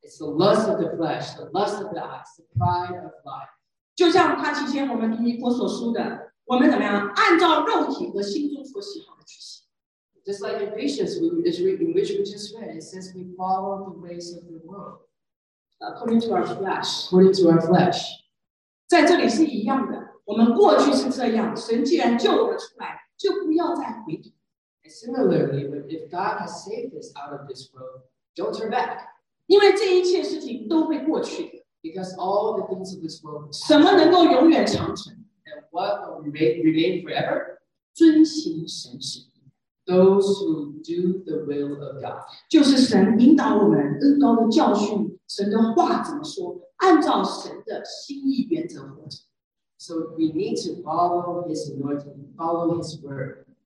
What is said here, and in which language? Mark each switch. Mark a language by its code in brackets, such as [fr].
[en] It's the lust of the flesh, the lust of the eyes, the pride of life. [zh] 就像他提前我们尼尼波所说的，我们怎么样，按照肉体和心中所喜好的去行。 [en] Just like in Ephesians, in which we just read, it says we follow the ways of the world. According to our flesh. According to our flesh. [zh] 在这里是一样的，我们过去是这样，神既然救我们出来，就不要再回头。 [en] And similarly, if God has saved us out of this world, don't turn back. [zh] 因为这一切事情都会过去的。 [en] Because all the things of this world. [zh] 什么能够永远长存？ [en] And what will remain forever? [zh] 遵行神旨。 [en] Those who do the will of God. [zh] 就是神引导我们，恩膏的教训，神的话怎么说，按照神的心意原则活着。 [en] So we need to follow His anointing, follow His word.